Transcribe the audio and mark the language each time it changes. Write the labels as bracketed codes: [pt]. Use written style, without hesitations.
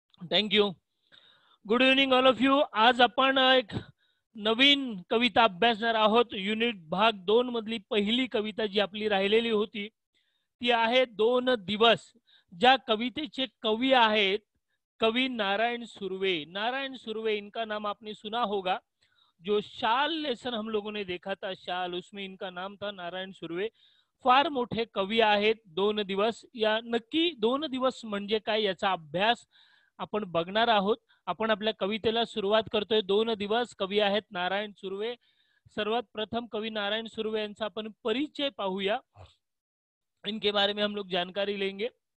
[en] Thank you, good evening all of you. [mr] आज अपन एक नवीन कविता अभ्यासणार आहोत. युनिट भाग दोन मधली पहिली कविता जी आपली राहिलेली होती ती आहे दोन दिवस. ज्या कवितेचे कवी आहेत कवी नारायण सुर्वे. [hi] नारायण सुर्वे इनका नाम आपने सुना होगा. जो शाल लेसन हम लोगों ने देखा था शाल, उसमें इनका नाम था नारायण सुर्वे. [mr] फार मोठे कवी आहेत दोन दिवस. या नक्की दोन दिवस म्हणजे काय याचा अभ्यास आपण बघणार आहोत. आपण आपल्या कवितेला सुरुवात करतोय. दोन दिवस, कवी आहेत नारायण सुर्वे. सर्वात प्रथम कवी नारायण सुर्वे यांचा आपण परिचय पाहूया. [hi] इनके बारे में हम लोग जानकारी लेंगे.